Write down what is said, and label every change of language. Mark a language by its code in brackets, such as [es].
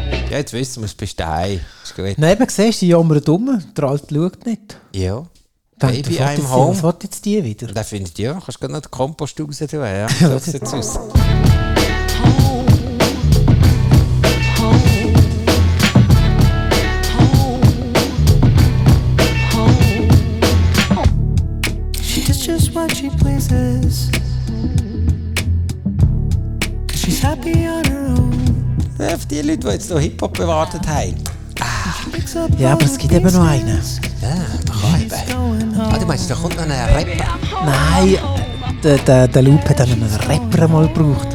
[de] Ja, jetzt wissen wir, du bist daheim. Nein, man siehst, die jammern dumm. Der Alte schaut nicht. Ja. [en] Baby, I'm home. [de] Was hat jetzt die wieder? Da findet ihr, ja, kannst du noch den Kompost raus tun. Ja, ja. [en] She does just what she pleases. Cause she's happy on her own. [de] Ja, für die Leute, die jetzt noch Hip-Hop bewartet haben. Ja, aber es gibt eben noch einen. Ja, man kann eben. Ah, du meinst, da kommt noch ein Rapper? Nein, der Loop hat einen Rapper mal gebraucht.